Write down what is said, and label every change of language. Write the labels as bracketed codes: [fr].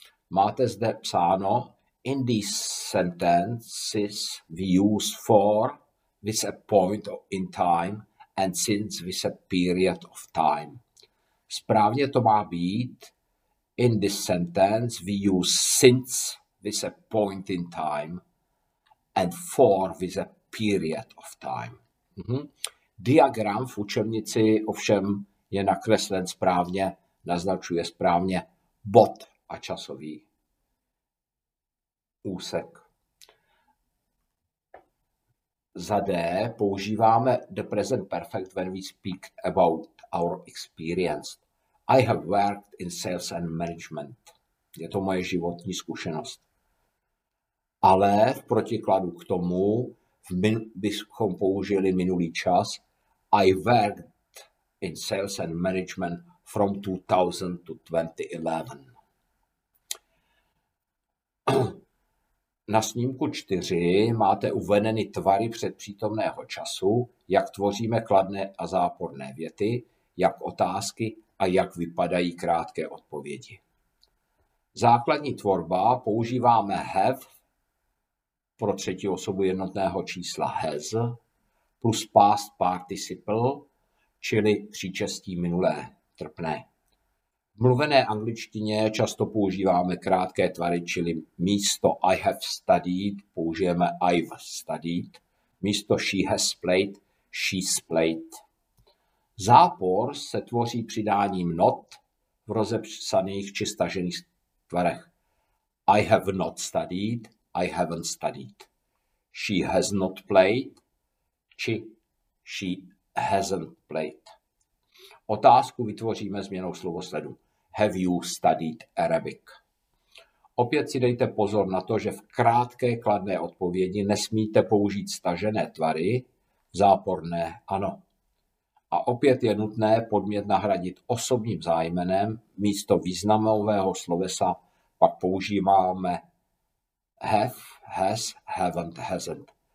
[cs] Máte zde psáno: [en] in these sentences, we use for with a point in time and since with a period of time. [cs] Správně to má být: [en] in this sentence, we use since with a point in time and for with a period of time. Mm-hmm. [cs] Diagram v učebnici ovšem je nakreslen správně, naznačuje správně bod a časový úsek. Za D používáme [en] the present perfect when we speak about our experience. I have worked in sales and management. [cs] Je to moje životní zkušenost. Ale v protikladu k tomu bychom použili minulý čas. [en] I worked in sales and management from 2000 to 2011. [cs] Na snímku 4 máte uvedeny tvary předpřítomného času, jak tvoříme kladné a záporné věty, jak otázky a jak vypadají krátké odpovědi. Základní tvorba používáme have pro třetí osobu jednotného čísla has plus past participle, čili příčestí minulé trpné. V mluvené angličtině často používáme krátké tvary, čili místo [en] I have studied [cs] použijeme [en] I've studied, [cs] místo [en] she has played, she's played. [cs] Zápor se tvoří přidáním not v rozepsaných či stažených tvarech. [en] I have not studied, I haven't studied. She has not played, či she hasn't played. [cs] Otázku vytvoříme změnou slovosledu. [en] Have you studied Arabic? [cs] Opět si dejte pozor na to, že v krátké kladné odpovědi nesmíte použít stažené tvary, záporné ano. A opět je nutné podmět nahradit osobním zájmenem, místo významového slovesa pak používáme have, has, haven't, hasn't.